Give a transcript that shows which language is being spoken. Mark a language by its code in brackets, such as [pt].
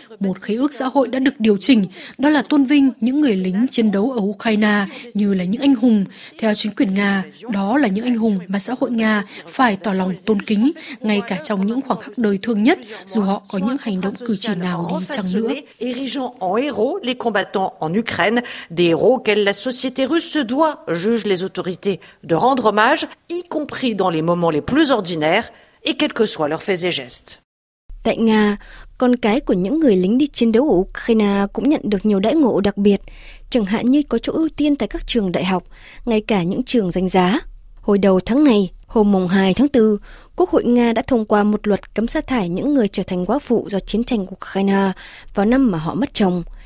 [vi] Một khế ước xã hội đã được điều chỉnh, đó là tôn vinh những người lính chiến đấu ở Ukraine như là những anh hùng. Theo chính quyền Nga, đó là những anh hùng mà xã hội Nga phải tỏ lòng tôn kính, ngay cả trong những khoảng khắc đời thương nhất, dù họ có những hành động cử chỉ nào đi chăng nữa. [fr] Érigeant en héros les combattants en Ukraine, des héros que la société russe se doit, juge les autorités, de rendre hommage, y compris dans les moments les plus ordinaires et quels que soient leurs faits et gestes. [vi] Tại Nga, con cái của những người lính đi chiến đấu ở Ukraine cũng nhận được nhiều đãi ngộ đặc biệt, chẳng hạn như có chỗ ưu tiên tại các trường đại học, ngay cả những trường danh giá. Hồi đầu tháng này, hôm 2 tháng 4, Quốc hội Nga đã thông qua một luật cấm sa thải những người trở thành quá phụ do chiến tranh Ukraine vào năm mà họ mất chồng.